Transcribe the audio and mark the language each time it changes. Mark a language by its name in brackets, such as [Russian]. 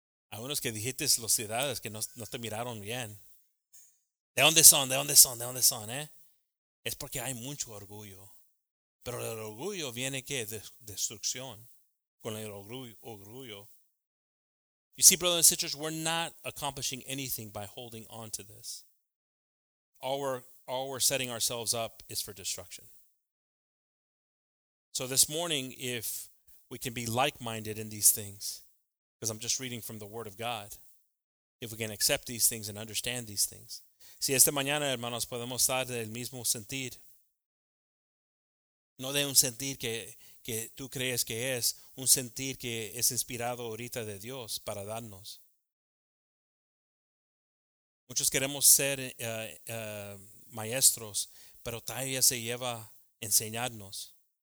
[Spanish] Hay unos que dijiste los ciudades que no te miraron bien. ¿De dónde son? ¿De dónde son? ¿De dónde son? Es porque hay mucho orgullo. Pero el orgullo viene que destrucción con el orgullo. [English] You see, brothers and sisters, we're not accomplishing anything by holding on to this. All we're setting ourselves up is for destruction. So this morning, if we can be like-minded in these things, because I'm just reading from the Word of God, if we can accept these things and understand these things. [Spanish] Si esta mañana, hermanos, podemos estar del mismo sentir. No de un sentir que tú crees que es, un sentir que es inspirado ahorita de Dios para darnos. Muchos queremos ser maestros, pero todavía se lleva enseñarnos.